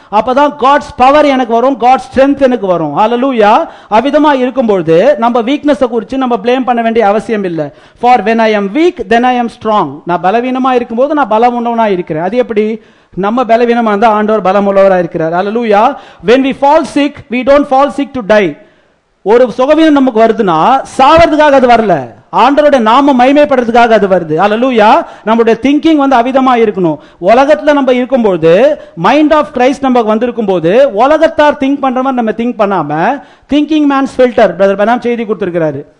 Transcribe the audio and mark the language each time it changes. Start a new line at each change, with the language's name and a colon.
Tamil: அப்பதான் God's power எனக்கு வரும், காட்ஸ் ஸ்ட்ரென்த் எனக்கு வரும். ஹல்லேலூயா. அவிதமா இருக்கும்பொழுது நம்ம வீக்னஸ் குறித்து நம்ம பிளேம் பண்ண வேண்டிய அவசியம் இல்லை.
English: For when I am weak then I am strong.
Tamil: நான் பலவீனமா இருக்கும்போது நான் பலம் உள்ளவனா இருக்கிறேன். அது எப்படி? நம்ம பலவீனமா இருந்தா ஆண்டவர் பலம் உள்ளவராக இருக்கிறார். ஹல்லேலூயா.
English: When we fall sick, we don't fall sick to die.
Tamil: ஒரு சுகவீனம் நமக்கு வருதுன்னா சாவதுக்காக அது வரல, ஆண்டவருடைய நாம மகிமைப்படுறதுக்காக அது வருது. ஹல்லேலூயா. நம்மளுடைய திங்கிங் வந்து அவிதமா இருக்கணும். உலகத்துல நம்ம இருக்கும்போது மைண்ட் ஆஃப் கிரைஸ்ட் நமக்கு வந்திருக்கும் போது உலகத்தார் திங்க் பண்ற மாதிரி நம்ம திங்க் பண்ணாம திங்கிங் மேன்ஸ் ஃபில்டர் பிரதர் பெனாம் செய்தி கொடுத்திருக்கிறாரு.